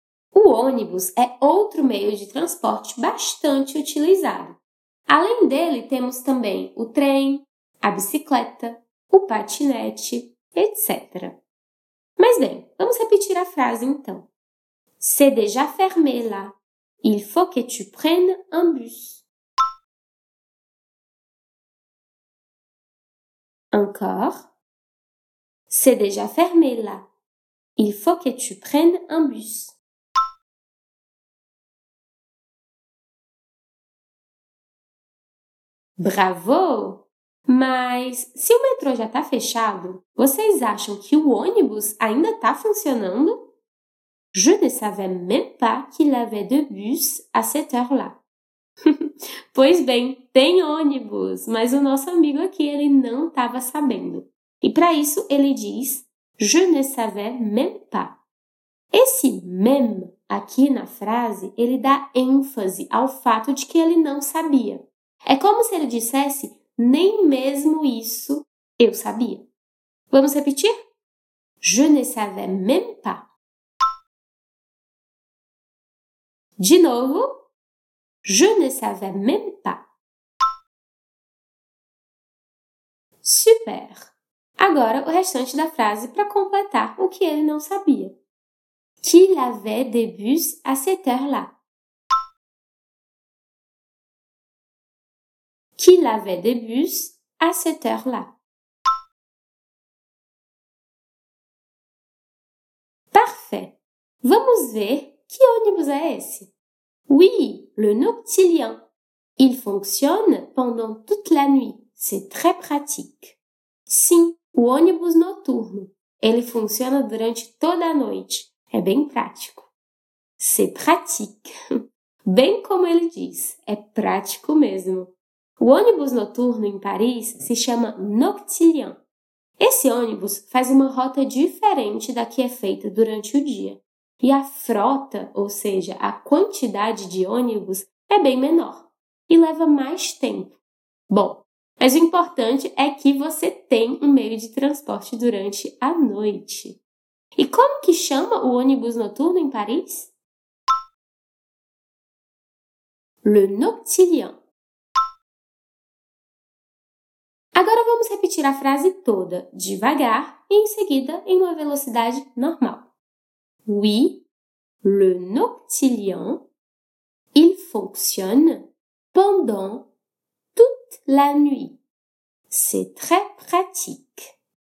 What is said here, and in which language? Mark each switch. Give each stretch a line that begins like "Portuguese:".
Portuguese: O ônibus é outro meio de transporte bastante utilizado. Além dele, temos também o trem, a bicicleta, o patinete, etc. Mas bem, vamos repetir a frase então.
French: C'est déjà fermé là. Il faut que tu prennes un bus. Encore. C'est déjà fermé là. Il faut que tu prennes un bus. Bravo!
Portuguese: Mas se o metrô já está fechado, vocês acham que o ônibus ainda está funcionando?
French: Je ne savais même pas qu'il avait de bus à cette heure-là.
Portuguese: Pois bem, tem ônibus, mas o nosso amigo aqui ele não estava sabendo. E para isso ele diz,
French: je ne savais même pas.
Portuguese: Esse même aqui na frase, ele dá ênfase ao fato de que ele não sabia. É como se ele dissesse, nem mesmo isso eu sabia. Vamos repetir?
French: Je ne savais même pas.
Portuguese: De novo.
French: Je ne savais même pas. Super!
Portuguese: Agora, o restante da frase para completar o que ele não sabia.
French: Qu'il avait des bus à cette heure-là. Qu'il avait des bus à cette heure-là. Parfait!
Portuguese: Vamos ver que ônibus é esse.
French: Oui, le Noctilien. Il fonctionne pendant toute la nuit. C'est très pratique.
Portuguese: Sim, o ônibus noturno. Ele funciona durante toda a noite. É bem prático.
French: C'est pratique.
Portuguese: Bem como ele diz, é prático mesmo. O ônibus noturno em Paris se chama Noctilien. Esse ônibus faz uma rota diferente da que é feita durante o dia. E a frota, ou seja, a quantidade de ônibus, é bem menor e leva mais tempo. Bom, mas o importante é que você tem um meio de transporte durante a noite. E como que chama o ônibus noturno em Paris?
French: Le Noctilien.
Portuguese: Agora vamos repetir a frase toda, devagar e em seguida em uma velocidade normal.
French: Oui, le Noctilien, il fonctionne pendant toute la nuit. C'est très pratique.